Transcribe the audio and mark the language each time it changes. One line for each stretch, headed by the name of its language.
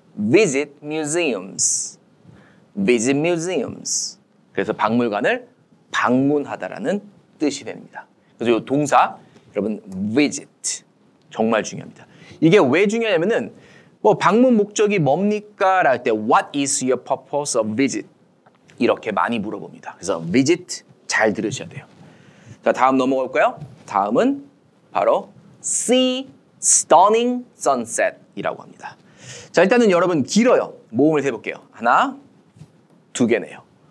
English: Visit museums. Visit museums.
Korean: 그래서 박물관을 방문하다라는 뜻이 됩니다. 그래서 이 동사, 여러분, visit. 정말 중요합니다. 이게 왜 중요하냐면은, 뭐, 방문 목적이 뭡니까? 라고 할 때,
English: what is your purpose of visit?
Korean: 이렇게 많이 물어봅니다. 그래서 visit 잘 들으셔야 돼요. 자, 다음 넘어갈까요? 다음은 바로
English: see stunning sunset
Korean: 이라고 합니다. 자, 일단은 여러분 길어요. 모음을 해볼게요. 하나, 두 개네요.